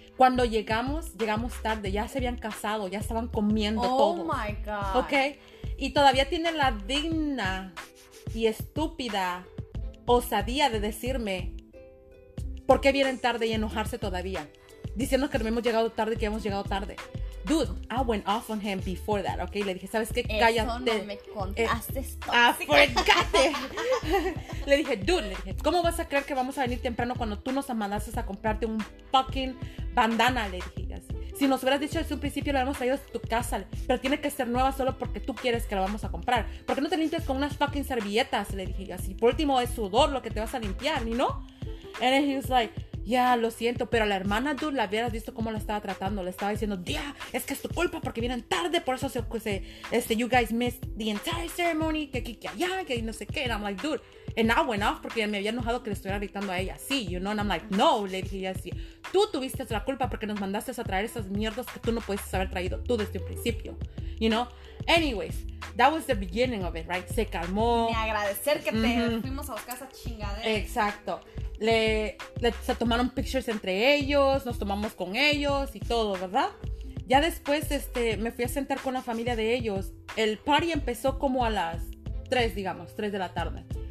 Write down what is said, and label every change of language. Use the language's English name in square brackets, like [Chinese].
[Spanish] Cuando llegamos tarde, ya se habían casado, ya estaban comiendo oh todo. [English] Oh my God. Ok. [Spanish] Y todavía tiene la digna y estúpida osadía de decirme por qué vienen tarde y enojarse todavía. Diciendo que no hemos llegado tarde, que hemos llegado tarde. [English] Dude, I went off on him before that, ok? [Spanish] Le dije, ¿sabes qué? Eso cállate. No me contaste. ¡Afregate! le dije, ¿cómo vas a creer que vamos a venir temprano cuando tú nos mandaste a comprarte un [English] fucking [Spanish] bandana? Le dije así. Si nos hubieras dicho desde un principio, lo habíamos traído a tu casa. Pero tiene que ser nueva solo porque tú quieres que la vamos a comprar. ¿Por qué no te limpias con unas [English] fucking [Spanish] servilletas? Le dije yo así. Por último, es sudor lo que te vas a limpiar, ¿y no? [English] And he was like, [Spanish] ya, yeah, lo siento, pero la hermana, dude, la hubieras visto cómo la estaba tratando. Le estaba diciendo, yeah, es que es tu culpa porque vienen tarde, por eso se [English] you guys missed the entire ceremony, [Spanish] que allá, que no sé qué. [English] And I'm like, dude, and I went off [Spanish] porque me había enojado que le estuviera gritando a ella. Sí, [English] you know, and I'm like, [Spanish] no, le dije así. Tú tuviste la culpa porque nos mandaste a traer esas mierdas que tú no puedes haber traído tú desde un principio, [English] you know. Anyways, that was the beginning of it, right? [Spanish] Se calmó. Ni agradecer que te fuimos a buscar esa chingadera. Exacto. Se tomaron pictures entre ellos, nos tomamos con ellos y todo, ¿verdad? Ya después me fui a sentar con la familia de ellos. El party empezó como a las 3, digamos, 3 de la tarde.